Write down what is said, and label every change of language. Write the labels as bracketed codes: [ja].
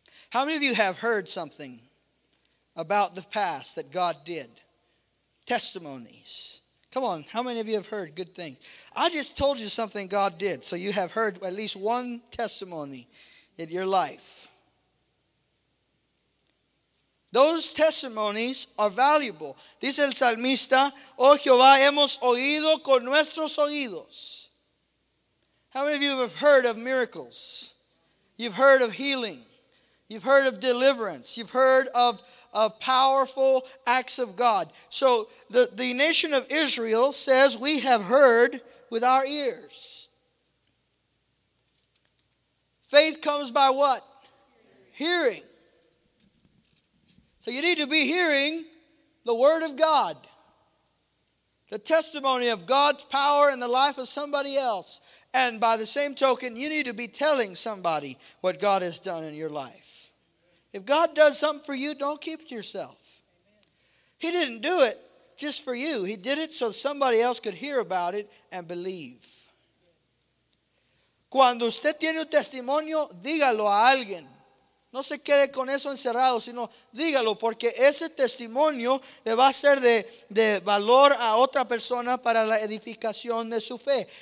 [en] How many of you have heard something about the past that God did? Testimonies. Come on, how many of you have heard good things? I just told you something God did, so you have heard at least one testimony in your life. Those testimonies are valuable. [es] Dice el salmista, oh Jehová, hemos oído con nuestros oídos. [en] How many of you have heard of miracles? You've heard of healing. You've heard of deliverance. You've heard of powerful acts of God. So the nation of Israel says, we have heard with our ears. Faith comes by what? Hearing. So you need to be hearing the word of God. The testimony of God's power in the life of somebody else. And by the same token, you need to be telling somebody what God has done in your life. If God does something for you, don't keep it to yourself. He didn't do it just for you. He did it so somebody else could hear about it and believe. [es] Cuando usted tiene un testimonio, dígalo a alguien. No se quede con eso encerrado, sino dígalo, porque ese testimonio le va a ser de valor a otra persona para la edificación de su fe.